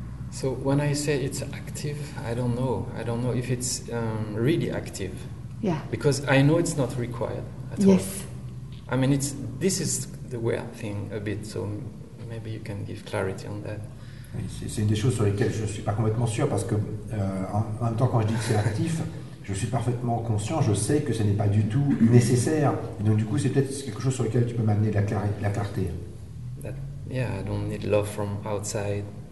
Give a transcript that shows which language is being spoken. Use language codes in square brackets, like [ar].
[en] So when I say it's active, I don't know. I don't know if it's really active. Yeah. Because I know it's not required at yes. all. I mean, it's this is the weird thing a bit. So maybe you can give clarity on that. [fr] Oui, c'est une des choses sur lesquelles je ne suis pas complètement sûr parce que en même temps quand je dis que c'est actif, je suis parfaitement conscient, je sais que ce n'est pas du tout nécessaire. Et donc du coup, c'est peut-être quelque chose sur lequel tu peux m'amener de la clarté. [en] That, yeah, I don't need love from outside.